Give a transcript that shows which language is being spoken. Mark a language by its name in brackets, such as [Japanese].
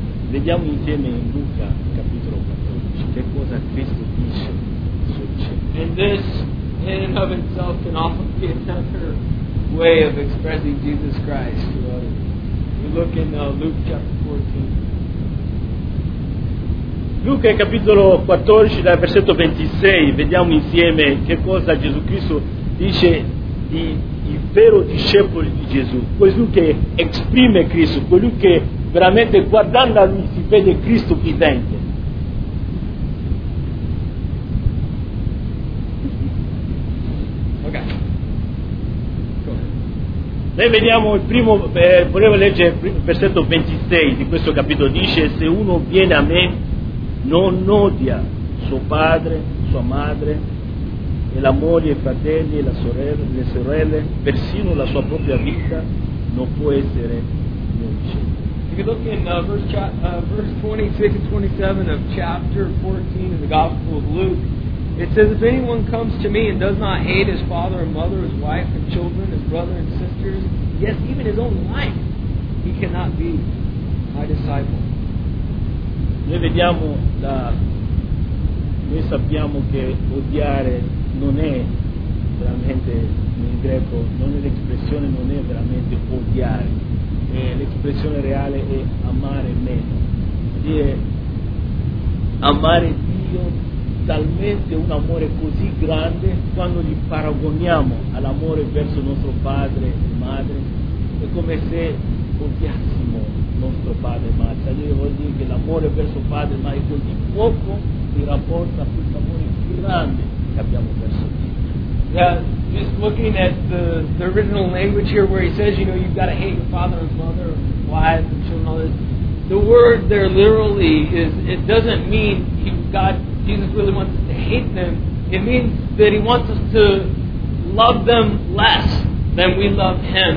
[Italian] Vediamo insieme in Luca capitolo 14 che cosa Cristo dice sul cielo. [English] And this in and of itself can often be another way of expressing Jesus Christ to others. You look in Luke chapter 14. [Italian] Luca capitolo 14 dal versetto 26, vediamo insieme che cosa Gesù Cristo dice di il vero discepolo di Gesù, colui che esprime Cristo, colui che veramente guardando a lui si vede Cristo vivente. Ok. Noi vediamo il primo, volevo leggere il versetto 26 di questo capitolo, dice: se uno viene a me non odia suo padre, sua madre, e la moglie, i fratelli, la sorella, le sorelle, persino la sua propria vita, non può essere mio discepolo. [English] If you look in verse 26 to 27 of chapter 14 of the Gospel of Luke, it says, if anyone comes to me and does not hate his father and mother, his wife and children, his brother and sisters, yes, even his own life, he cannot be my disciple. [Italian] Noi vediamo la, noi sappiamo che odiare non è veramente, nel greco, non è l'espressione, non è veramente odiare. L'espressione reale è amare meno, dire amare Dio talmente, un amore così grande, quando li paragoniamo all'amore verso nostro padre e madre, è come se odiassimo nostro padre e madre, cioè vuol dire che l'amore verso padre e madre è così poco in rapporto a questo amore più grande che abbiamo verso Dio. [English] Just looking at the original language here where he says, you know, you've got to hate your father and mother and wives and children and all this. The word there literally is, it doesn't mean Jesus really wants us to hate them. It means that he wants us to love them less than we love him.